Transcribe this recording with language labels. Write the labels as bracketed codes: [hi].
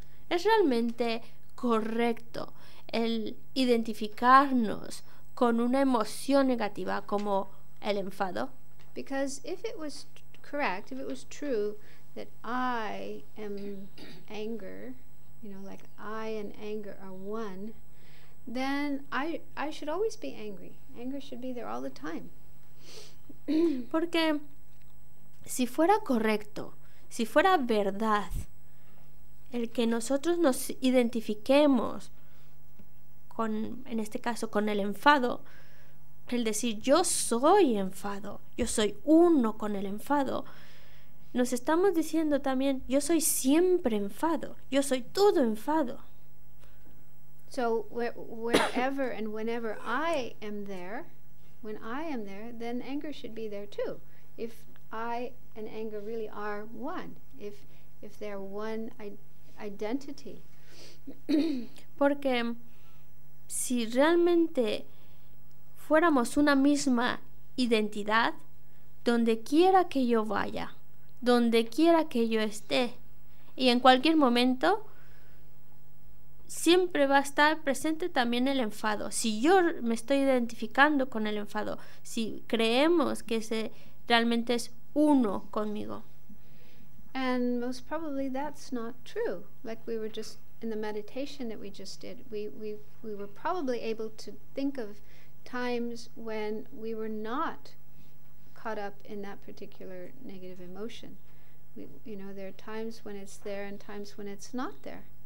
[es] ¿Es realmente correcto el identificarnos con una emoción negativa como el enfado? [en] Because if it was correct, if it was true that I am anger, you know, like I and anger are one, then I should always be angry. Anger should be there all the time. [es] Porque si fuera correcto, si fuera verdad, el que nosotros nos identifiquemos con, en este caso, con el enfado, el decir yo soy enfado, yo soy uno con el enfado, nos estamos diciendo también yo soy siempre enfado, yo soy todo enfado. [en] So wherever and whenever I am there, when I am there, then anger should be there too. If I and anger really are one, if they're one identity. [es] Porque si realmente fuéramos una misma identidad, donde quiera que yo vaya, donde quiera que yo esté, y en cualquier momento, siempre va a estar presente también el enfado. Si yo me estoy identificando con el enfado, si creemos que ese realmente es uno conmigo. [en] And most probably that's not true. Like we were just in the meditation that we just did, we were probably able to think of times when we were not caught up in that particular negative emotion. You know, there are times when it's there and times when it's not there.